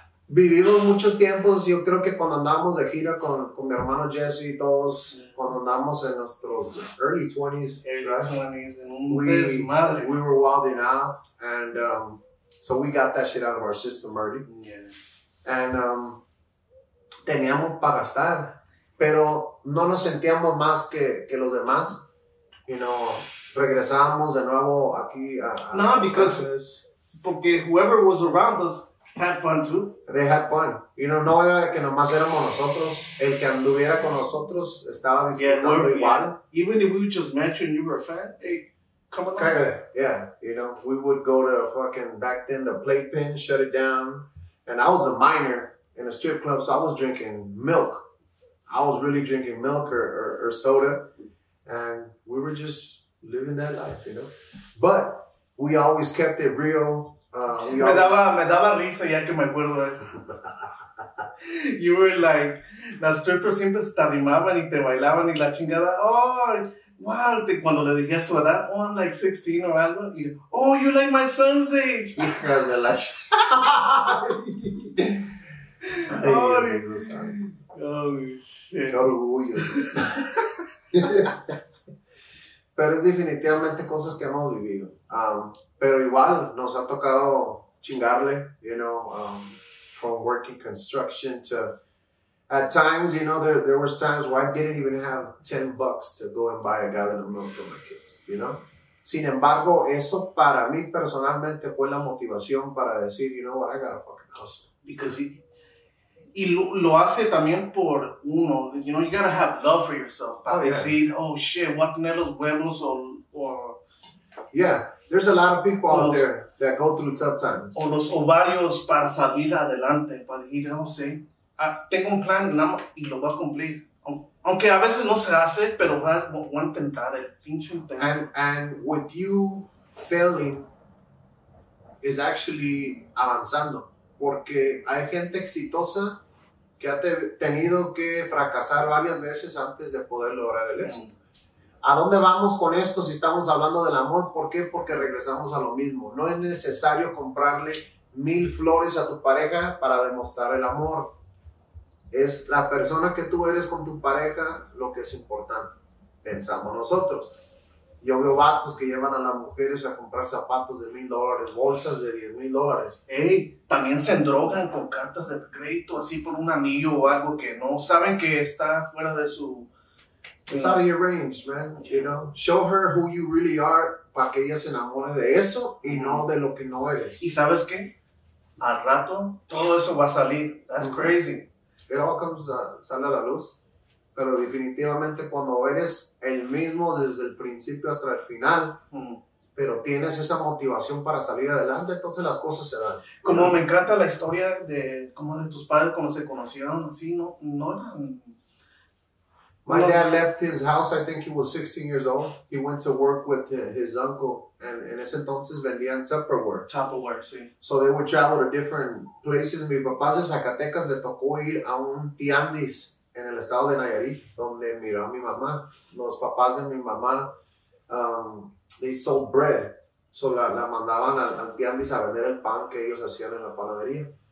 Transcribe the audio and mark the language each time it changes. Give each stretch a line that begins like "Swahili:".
Spanish: Vivimos muchos tiempos, yo creo que cuando andamos de gira con mi hermano Jesse y todos, cuando andamos en nuestros
English: early 20s,
Spanish: en un desmadre.
English: We were wilding out, and so we got that shit out of our system early. Yeah. And
Spanish: teníamos para gastar, pero no nos sentíamos más que los demás.
English: You know,
Spanish: regresamos de nuevo aquí a no, porque
English: whoever was around us had fun too. They had fun. You know,
Spanish: no era que nomás éramos nosotros. El que anduviera con nosotros estaba disfrutando igual.
English: Yeah. Even if we just met you and you were a fan, hey, come along.
Spanish: Kinda,
English: yeah, you know, we would go to fucking, back then, the playpen, shut it down. And I was a minor in a strip club, so I was drinking milk. I was really drinking milk or soda. And we were just living that life, you know. But we always kept it real.
Spanish: Me daba risa ya que me acuerdo de eso.
English: You were like,
Spanish: las strippers siempre te arrimaban y te bailaban y la chingada.
English: Oh, wow.
Spanish: Cuando le dijías tu edad,
English: oh, I'm like 16 or
Spanish: algo. Y,
English: oh, you're like my son's age.
Spanish: Hija de la
English: shit.
Spanish: Qué orgullo. Pero es definitivamente cosas que hemos vivido. Pero igual nos ha tocado chingarle,
English: you know, from working construction to, at times, you know, there was times where I didn't even have 10 bucks to go and buy a gallon of milk for my kids, you know.
Spanish: Sin embargo, eso para mí personalmente fue la motivación para decir,
English: you know what, I got a fucking house. Because
Spanish: y lo hace también por uno,
English: you know, you gotta have love for yourself.
Spanish: Para decir,
English: oh shit,
Spanish: voy a tener los huevos o
English: yeah, there's a lot of people out there that go through tough times.
Spanish: O los ovarios para salir adelante, para decir,
English: oh
Spanish: sí, tengo un plan y lo voy a cumplir. Aunque a veces no se hace, pero voy a intentar el pinche intento.
English: And with you failing is actually
Spanish: avanzando. Porque hay gente exitosa que ha tenido que fracasar varias veces antes de poder lograr el éxito. ¿A dónde vamos con esto si estamos hablando del amor? ¿Por qué? Porque regresamos a lo mismo. No es necesario comprarle 1,000 flores a tu pareja para demostrar el amor. Es la persona que tú eres con tu pareja lo que es importante. Pensamos nosotros. Yo veo vatos que llevan a las mujeres a comprar zapatos de $1,000, bolsas de $10,000. Ey, también se endrogan con cartas de crédito, así por un anillo o algo que no saben que está fuera de su...
English: It's out of your range, man, you know.
Spanish: Show her who you really are para que ella se enamore de eso y no de lo que no eres. ¿Y sabes qué? Al rato, todo eso va a salir.
English: That's crazy. It all comes,
Spanish: sale a la luz. Pero definitivamente cuando eres el mismo desde el principio hasta el final, pero tienes esa motivación para salir adelante, entonces las cosas se dan. Como me encanta la historia de cómo de tus padres, cómo se conocieron, así, no, no eran...
English: My dad left his house, I think he was 16 years old. He went to work with his uncle, and
Spanish: en ese entonces vendían
English: Tupperware.
Spanish: Tupperware, sí.
English: So they would travel to different places.
Spanish: Mi papá de Zacatecas le tocó ir a un tianguis en el estado de Nayarit, donde miró a mi mamá. Los papás de mi mamá,
English: they sold bread. So
Spanish: la mandaban al tianguis a vender el pan que ellos hacían en la panadería.